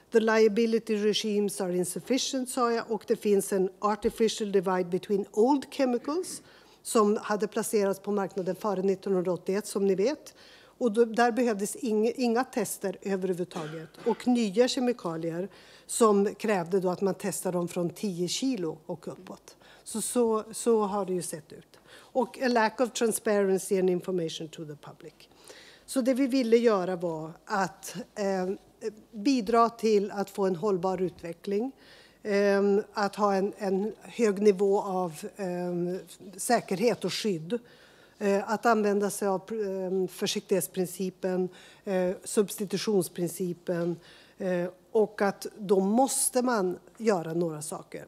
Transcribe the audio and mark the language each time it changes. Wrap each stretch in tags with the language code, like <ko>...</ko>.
<en>The liability regimes are insufficient,</en> <sv>sa jag, och det finns en</sv> <en>artificial divide between old chemicals</en> <sv>som hade placerats på marknaden före 1981, som ni vet. Och där behövdes inga tester överhuvudtaget. Och nya kemikalier som krävde då att man testade dem från 10 kilo och uppåt. Så har det ju sett ut.</sv> <en>Och a lack of transparency and information to the public.</en> <sv>Så det vi ville göra var att bidra till att få en hållbar utveckling, att ha en hög nivå av säkerhet och skydd, att använda sig av försiktighetsprincipen, substitutionsprincipen, och att då måste man göra några saker.</sv>